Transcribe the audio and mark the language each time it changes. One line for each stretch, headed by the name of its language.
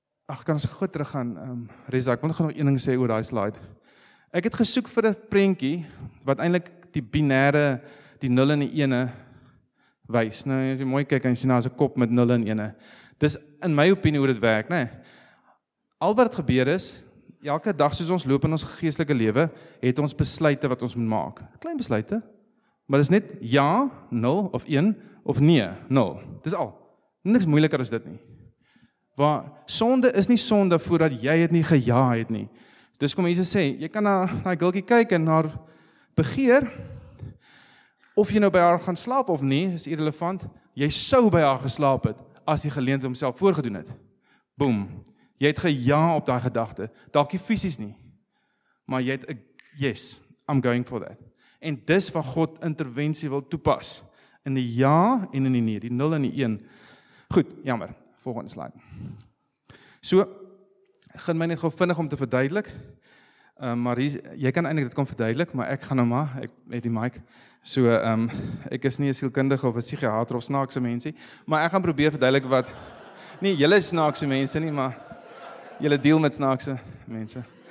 Afrikaans: Ach, kan ons goed terug gaan, Reza, ek wil nog een ding sê oor die slide. Ek het gesoek vir 'n prentjie, wat eintlik die binêre, die 0 en die 1 wys. Nou, as jy mooi kyk, en jy sien daar 'n kop met 0 en 1. Dis in my opinie hoe dit werk, nê? Al wat gebeur is, elke dag soos ons loop in ons geestelike lewe, het ons besluite wat ons moet maak. Klein besluite. Maar dit is net ja, 0 of 1 of nee, 0. Dit is al. Niks moeiliker as dit nie. Want sonde is nie sonde voordat jy het nie geja het nie. Dus kom Jesus sê, jy kan na die gilkie kyk en haar begeer, of jy nou by haar gaan slaap of nie, is irrelevant, jy sou by haar geslaap het, as die geleentheid homself voorgedoen het. Boom. Jy het geja op daai gedagte, dalk nie fisies nie, maar jy het,
English: yes, I'm going for that.
Afrikaans: En dis wat God interventie wil toepas, in die ja en in die nee, die 0 en die 1. Goed, jammer, volgende slide. So, gaan my net gou vinnig om te verduidelik, maar jy kan eintlik dit kom verduidelik, maar ek gaan nou maar, ek het die mic, so ek is nie 'n sielkundige of 'n psigiater of snaakse mensie, maar ek gaan probeer verduidelik wat, nie, julle is snaakse mense nie, maar julle deel met snaakse mense.